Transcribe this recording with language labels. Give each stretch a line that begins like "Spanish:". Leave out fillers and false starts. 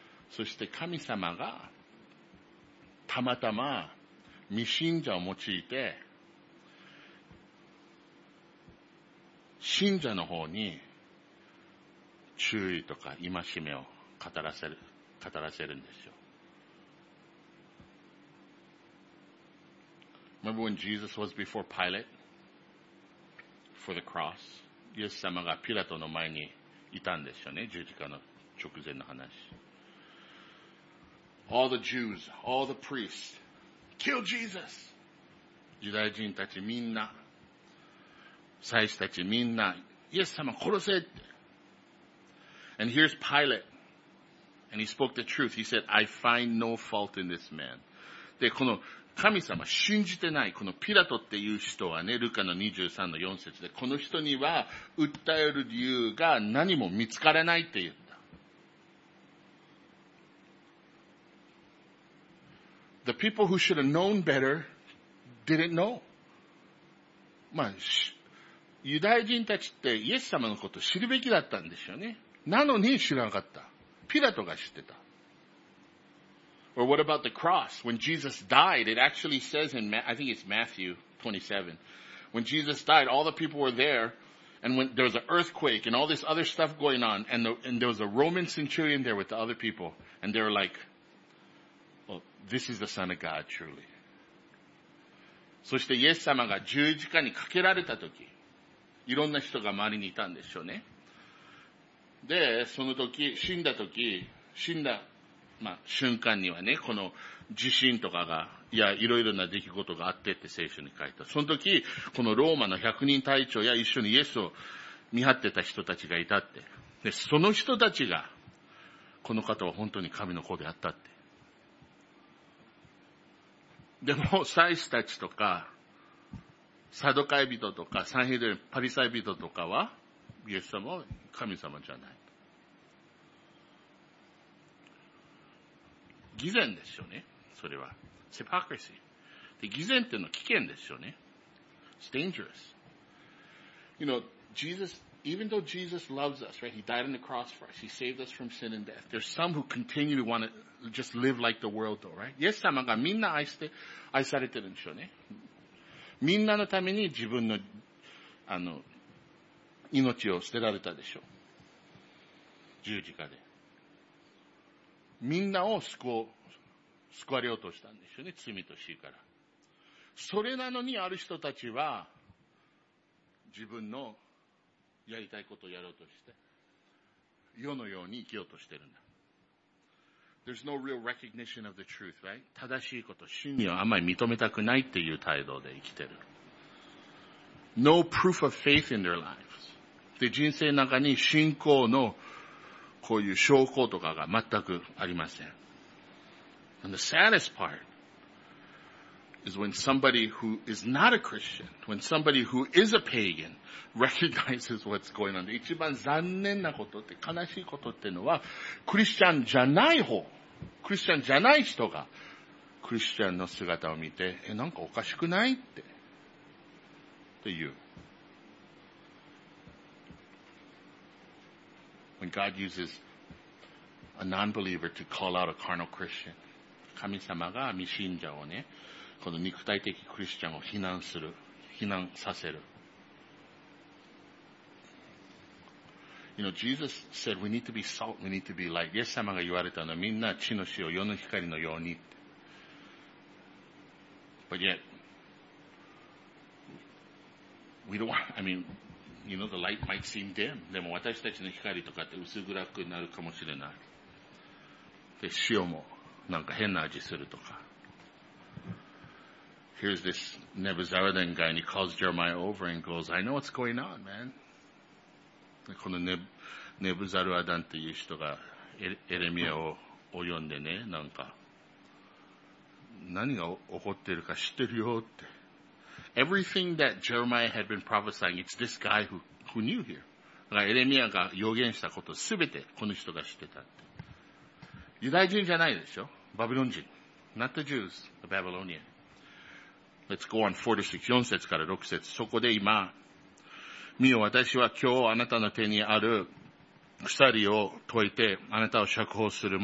Japanese: そして神様がたまたま未信者を用いて信者の方に注意とか戒めを語らせるんですよ。
English: Remember when Jesus was before Pilate for the cross?
Japanese: イエス様がピラトの前にいたんですよね。十字架の直前の話。
English: All the Jews, all the priests, kill Jesus!
Japanese: ユダヤ人たちみんな、祭司たちみんな、イエス様殺せって。
English: And here's Pilate. And he spoke the truth. He said, I find no fault in this man.
Japanese: で、この神様信じてない、このピラトっていう人はね、ルカの23の4節で、この人には訴える理由が何も見つからないっていう。
English: The people who should have known better didn't know.
Japanese: まあ、ユダヤ人たちってイエス様のことを知るべきだったんですよね。なのに知らなかった。ピラトが知ってた。
English: Or what about the cross? When Jesus died, it actually says in, I think it's Matthew 27. When Jesus died, all the people were there, and when there was an earthquake and all this other stuff going on, and there was a Roman centurion there with the other people, and they were like,This is the Son of God, truly.
Japanese: そしてイエス様が十字架にかけられたとき、いろんな人が周りにいたんでしょうね。で、そのとき、死んだとき、死んだ、瞬間にはね、この地震とかが、いや、いろいろな出来事があってって聖書に書いた。そのとき、このローマの百人隊長や一緒にイエスを見張ってた人たちがいたって。で、その人たちが、この方は本当に神の子であったって。でも、祭司たちとか、サドカイ人とか、サンヘドリン、パリサイ人とかは、イエス様は神様じゃない。偽善ですよね、それは。セパクラシー。で、偽善っていうのは危険ですよね。
English: It's dangerous. You know, Jesus even though Jesus loves us, right? He died on the cross for us. He saved us from sin and death. There's some who continue to want to just live like the world though, right?
Japanese: イエス様がみんな愛して、愛されてるんでしょうね。みんなのために自分の、あの、命を捨てられたでしょう。十字架で。みんなを救われようとしたんでしょうね。罪と死から。それなのにある人たちは、自分のやりたいことをやろうとして、世のように生きようとしてるんだ。
English: There's no real recognition of the truth, right?
Japanese: 正しいこと、真理をあまり認めたくないっていう態度で生きてる。
English: No proof of faith in their lives.
Japanese: で、人生の中に信仰のこういう証拠とかが全くありません。
English: And the saddest part is when somebody who is not a Christian, when somebody who is a pagan recognizes what's going on.
Japanese: 一番残念なことって、悲しいことってのは、クリスチャンじゃない方、クリスチャンじゃない人が、クリスチャンの姿を見て、え、なんかおかしくない? って。という。
English: When God uses a non-believer to call out a carnal Christian,
Japanese: 神様が未信者をね、この肉体的クリスチャンを非難する、非難させる。
English: You know, Jesus said we need to be salt, we need to be light.
Japanese: イエス様が言われたのはみんな地の塩、世の光のように。
English: But yet, we don't want, I mean,You know, the light might seem dim.
Japanese: でも私たちの光とかって薄暗くなるかもしれない。で、塩もなんか変な味するとか。
English: Here's this Nebuzaradan guy and he calls Jeremiah over and goes, I know what's going on, man.
Japanese: で、このネブザルアダンっていう人がエレミアを呼んでね、なんか、何が起こってるか知ってるよって。
English: Everything that Jeremiah had been prophesying, it's this guy who knew here.
Japanese: だからエレミアが予言したことすべてこの人が知ってたって。ユダヤ人じゃないでしょ? バビロン人。
English: Not the Jews, the Babylonian. Let's go on 4 to 6,
Japanese: 4節から6節。そこで今、見よ、私は今日あなたの手にある鎖を解いてあなたを釈放する。